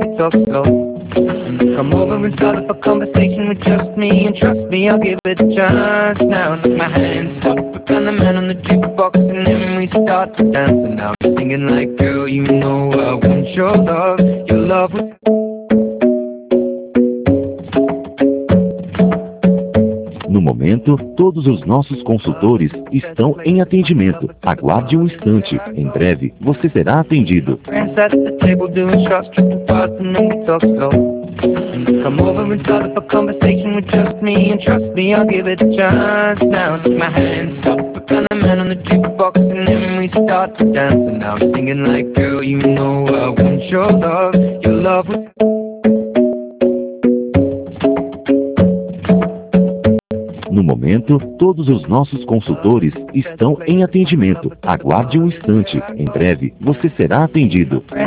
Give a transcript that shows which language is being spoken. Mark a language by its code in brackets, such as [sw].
[en] Come over and start up a conversation with just me, and trust me, I'll give it a chance. Now take my hands up, and the man on the jukebox, and then we start to dance. And now I'm singing like, girl, you know I want your love was... [pt] No momento, todos os nossos consultores estão em atendimento. Aguarde um instante, em breve, você será atendido. [en] Come over and start up a conversation with just me, and trust me, I'll give it a chance. Now take my hands up, and the man on the jukebox, and then we start to dance. And now I'm singing like, girl, you know I want your love was... [pt] No momento, todos os nossos consultores estão em atendimento. Aguarde um instante. Em breve, você será atendido.